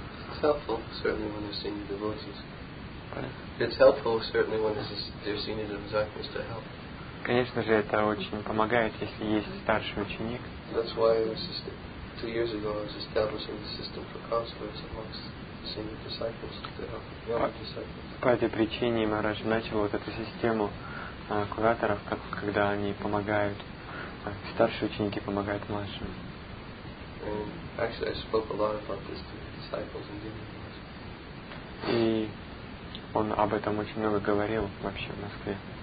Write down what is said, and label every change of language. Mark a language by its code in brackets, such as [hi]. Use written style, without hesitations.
[en] It's helpful, certainly, when they're seeing the devotees. It's helpful, certainly, when they're seeing the devotees to help. [ru] Конечно же, это очень помогает, если есть старший ученик. [en] That's why it was just 2 years ago, I was establishing the system for counselors amongst senior disciples to help young disciples. [ru] По этой причине Мараш начал вот эту систему кураторов, когда они помогают, старшие ученики помогают младшим. [en] Actually, I spoke a lot about this to disciples and deacons. [ru] И он об этом очень много говорил вообще в Москве.